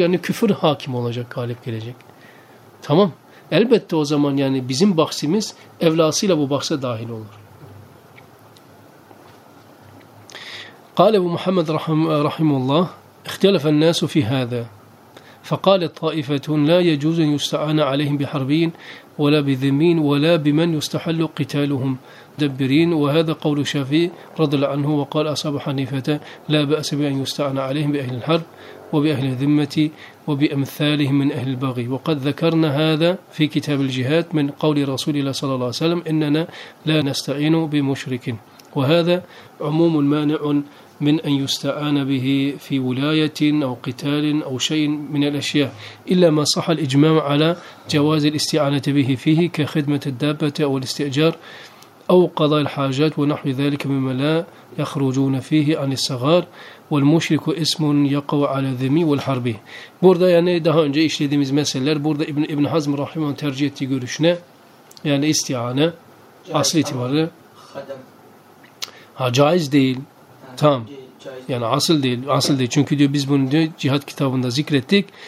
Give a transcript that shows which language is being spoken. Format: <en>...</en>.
<tr>Yani küfür hakim olacak, galip gelecek. Tamam. Elbette o zaman yani bizim bahsimiz evlasıyla bu bahse dahil olur.</tr> <ar>قال ابو محمد رحمه الله اختلف الناس في هذا فقال الطائفة لا يجوز أن يستعان عليهم بحربين ولا بذمين ولا بمن يستحل قتالهم دبرين وهذا قول شافعي رضي الله عنه وقال أصحاب حنيفة لا بأس بأن يستعان عليهم بأهل الحرب وبأهل الذمة وبأمثالهم من أهل البغي وقد ذكرنا هذا في كتاب الجهاد من قول رسول الله صلى الله عليه وسلم إننا لا نستعين بمشرك وهذا عموم مانع من أن يستعان به في ولاية أو قتال أو شيء من الأشياء إلا ما صح الإجماع على جواز الاستعانة به فيه كخدمة الدابة أو الاستئجار أو قضاء الحاجات ونحو ذلك مما لا يخرجون فيه عن الصغار والمشرك اسم يقع على ذمي والحرب.</ar> <tr>Burada yani daha önce işlediğimiz meseleler, burada İbn Hazm rahimehullah'ın tercih ettiği görüşüne, yani istiana asli itibarı caiz değil. Tamam. Yani asıl değil. Asıl değil. Çünkü diyor biz bunu diyor cihat kitabında zikrettik.</tr>